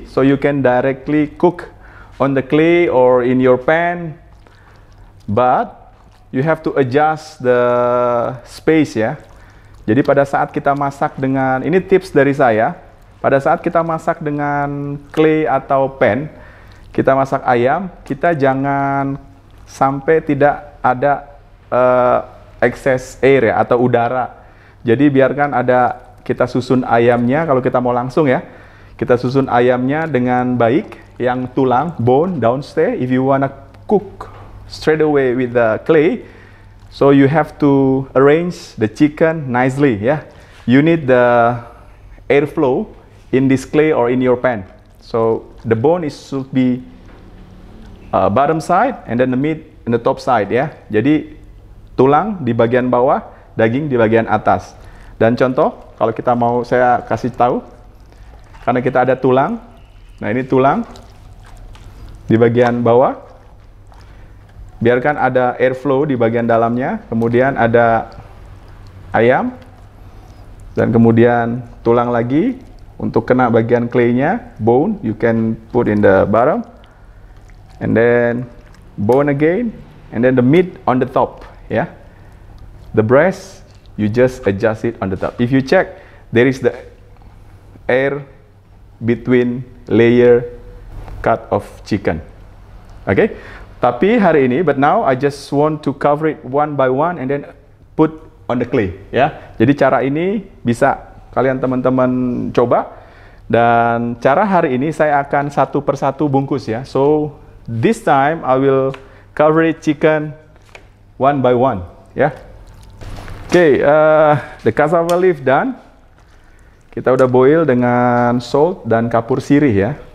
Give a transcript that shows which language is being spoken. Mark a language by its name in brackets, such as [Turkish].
[English] So you can directly cook on the clay or in your pan. But you have to adjust the space ya. [Indonesian] Jadi pada saat kita masak dengan, ini tips dari saya, pada saat kita masak dengan clay atau pan, kita masak ayam, kita jangan sampai tidak ada excess air ya, atau udara. Jadi biarkan ada, kita susun ayamnya, kalau kita mau langsung ya, kita susun ayamnya dengan baik, yang tulang, bone, downstay, if you wanna cook straight away with the clay, so you have to arrange the chicken nicely, yeah. [English] You need the airflow in this clay or in your pan. So the bone is should be bottom side and then the meat in the top side, yeah. [Indonesian] Jadi tulang di bagian bawah, daging di bagian atas. Dan contoh, kalau kita mau saya kasih tahu, karena kita ada tulang, nah ini tulang di bagian bawah. Biarkan ada airflow di bagian dalamnya, kemudian ada ayam, dan kemudian tulang lagi untuk kena bagian clay-nya, bone, you can put in the bottom, and then bone again, and then the meat on the top, yeah. [English] The breast, you just adjust it on the top. If you check, there is the air between layer cut of chicken, okay? Tapi hari ini, but now I just want to cover it one by one and then put on the clay, ya. [Indonesian] Jadi cara ini bisa kalian teman-teman coba. Dan cara hari ini saya akan satu persatu bungkus ya. [English] So this time I will cover it chicken one by one, ya. [Indonesian] Okay, the cassava leaf done. Kita udah boil dengan salt dan kapur sirih ya.